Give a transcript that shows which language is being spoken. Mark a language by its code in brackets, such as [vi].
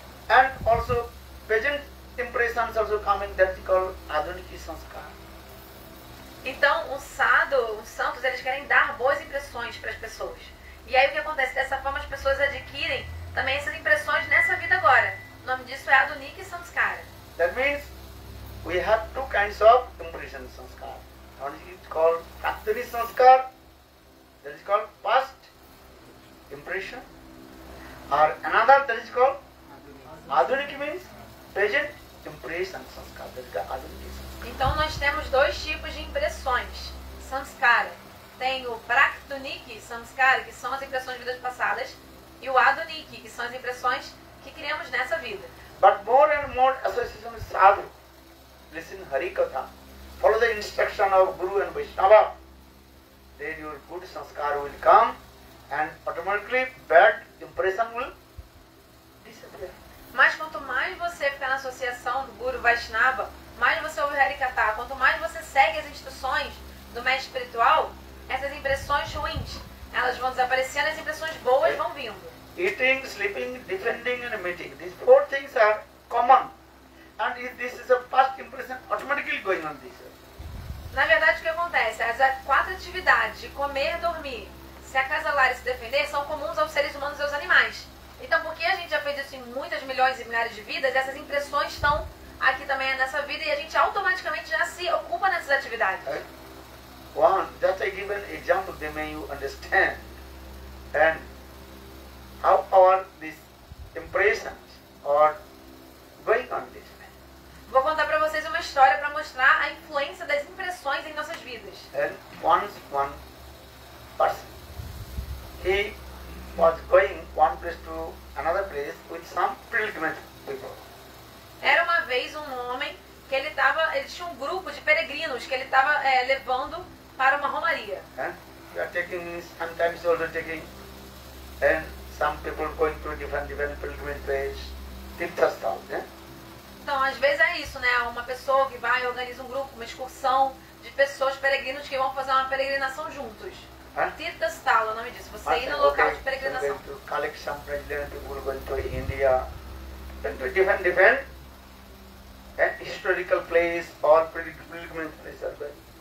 [en] And also, present impressions also come in, that's called Adhuniki Sanskar. [pt] Então, o sadhu, os santos, eles querem dar boas impressões para as pessoas. E aí o que acontece? Dessa forma as pessoas adquirem também essas impressões nessa vida agora. O nome disso é Adunika e Samskara. [en] That means we have two kinds of impression Samskara. One is called Kattari Samskara, that is called past impression. Or another that is called Adunika means present impression Samskara. That is called Adunika Samskara. [pt] Então nós temos dois tipos de impressões Samskara. Tem o Prakdunik Samskara, que são as impressões de vidas passadas, e o Adunik, que são as impressões que criamos nessa vida. [en] But more and more association with sadhu, listen Harikatha, follow the instruction of Guru and Vaishnava, then your good Samskara will come, and automatically bad impression will disappear. [pt] Mas quanto mais você fica na associação do Guru Vaishnava, mais você ouve Harikatha, quanto mais você segue as instruções do mestre espiritual, essas impressões ruins, elas vão desaparecendo, as impressões boas vão vindo. [en] Eating, sleeping, defending and meeting. These four things are common. And if this is a past impression, automatically going on this. [pt] Na verdade, o que acontece? As quatro atividades de comer, dormir, se acasalar e se defender são comuns aos seres humanos e aos animais. Então, porque a gente já fez isso em muitas milhões e milhares de vidas, essas impressões estão aqui também nessa vida e a gente automaticamente já se ocupa nessas atividades. [en] One, just I give an example, then may you understand. And how are these impressions or going on this way? [pt] Vou contar para vocês uma história para mostrar a influência das impressões em nossas vidas. [en] And once one person, he was going one place to another place with some pilgrimage people. [pt] Era uma vez um homem que ele tinha um grupo de peregrinos que ele estava levando para uma romaria. [en] You are taking sometimes also taking and some people going to different pilgrimage places, tipta stall, né? [pt] Então às vezes é isso, né? Uma pessoa que vai organiza um grupo, uma excursão de pessoas peregrinos que vão fazer uma peregrinação juntos. Tipta stall, o nome disso. Você ir no local de peregrinação. [en] Going to collect some pilgrims, people going to India, going to different historical place or pilgrimage place.